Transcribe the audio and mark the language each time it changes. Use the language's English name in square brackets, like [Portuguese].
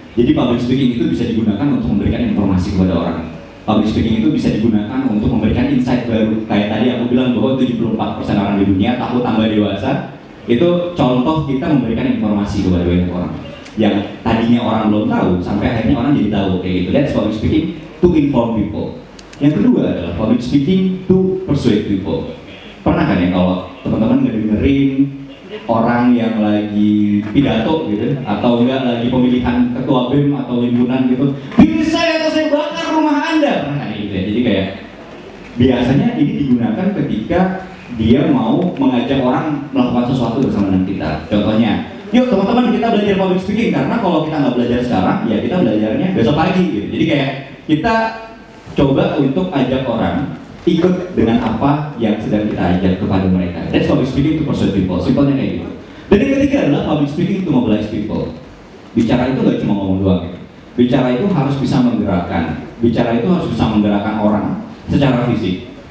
[Indonesian] Jadi public speaking itu bisa digunakan untuk memberikan informasi kepada orang. Public speaking itu bisa digunakan untuk memberikan insight baru. Kayak tadi aku bilang bahwa 74% orang di dunia takut tambah dewasa. Itu contoh kita memberikan informasi kepada banyak orang. Yang tadinya orang belum tahu, sampai akhirnya orang jadi tahu. Kayak gitu, [English] that's public speaking to inform people. [Indonesian] Yang kedua adalah [English] public speaking to persuade people. [Indonesian] Pernah kan ya kalau teman-teman ngedengerin orang yang lagi pidato gitu, atau enggak lagi pemilihan ketua BEM atau himpunan gitu, pilih saya atau saya bakar rumah Anda. Nah, gitu ya. Jadi kayak biasanya ini digunakan ketika dia mau mengajak orang melakukan sesuatu bersama dengan kita. Contohnya, yuk teman-teman kita belajar public speaking, karena kalau kita nggak belajar sekarang ya kita belajarnya besok pagi gitu. Jadi kayak kita coba untuk ajak orang ikut dengan apa yang sedang kita ajak kepada mereka. [English] That's public speaking to persuade people, [Indonesian] simpelnya kayak gitu. Dan yang ketiga adalah [English] public speaking to mobilize people. [Indonesian] Bicara itu gak cuma ngomong doang. Bicara itu harus bisa menggerakkan. Bicara itu harus bisa menggerakkan orang secara fisik.